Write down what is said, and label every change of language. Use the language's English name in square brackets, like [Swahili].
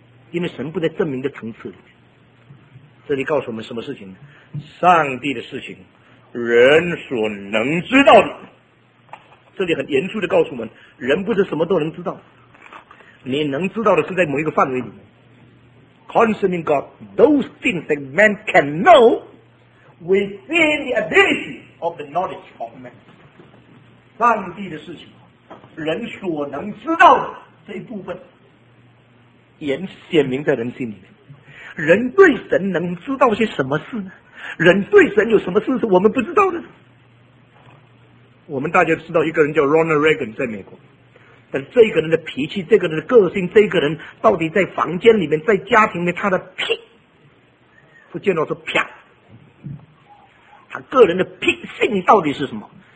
[Chinese] 因为神不在证明的层次里面，这里告诉我们什么事情呢？上帝的事情，人所能知道的，这里很严肃地告诉我们，人不是什么都能知道，你能知道的是在某一个范围里面。 [English] Concerning God, those things that man can know within the ability of the knowledge of man. [Chinese] 上帝的事情，人所能知道的这一部分，也显明在人心里面。人对神能知道些什么事呢？人对神有什么事是我们不知道的？我们大家知道一个人叫 Ronald Reagan 在美国，但这个人的脾气，这个人的个性，这个人到底在房间里面，在家庭里面，他的屁不见到是啪，他个人的脾性到底是什么？